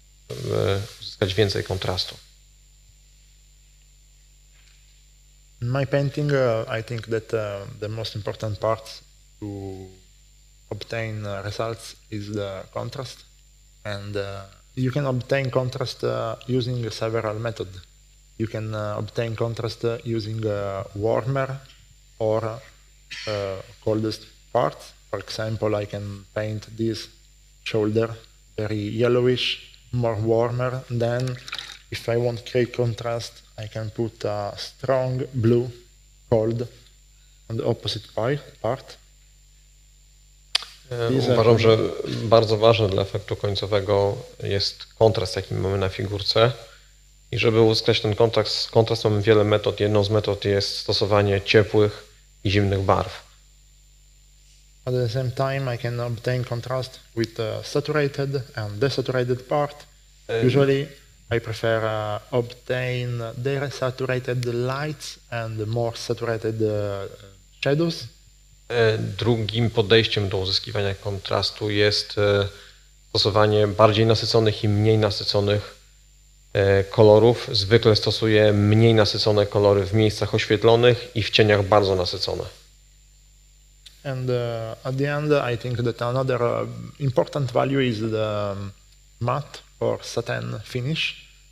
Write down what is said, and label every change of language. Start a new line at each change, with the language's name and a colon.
Polish: Żeby uzyskać więcej kontrastu.
English: In my painting, I think that the most important part to obtain results is the contrast and You can obtain contrast using several methods. You can obtain contrast using warmer or coldest parts. For example, I can paint this shoulder very yellowish, more warmer. Then, if I want to create contrast, I can put a strong blue, cold, on the opposite part.
Polish: Uważam, że bardzo ważne dla efektu końcowego jest kontrast, jaki mamy na figurce. I żeby uzyskać ten kontrast mamy wiele metod. Jedną z metod jest stosowanie ciepłych i zimnych barw.
English: At the same time I can obtain contrast with saturated and desaturated part. Usually I prefer obtain desaturated lights and more saturated shadows.
Polish: Drugim podejściem do uzyskiwania kontrastu jest stosowanie bardziej nasyconych i mniej nasyconych kolorów. Zwykle stosuję mniej nasycone kolory w miejscach oświetlonych i w cieniach bardzo nasycone.
English: And at the end I think that another important value is the matte or satin finish.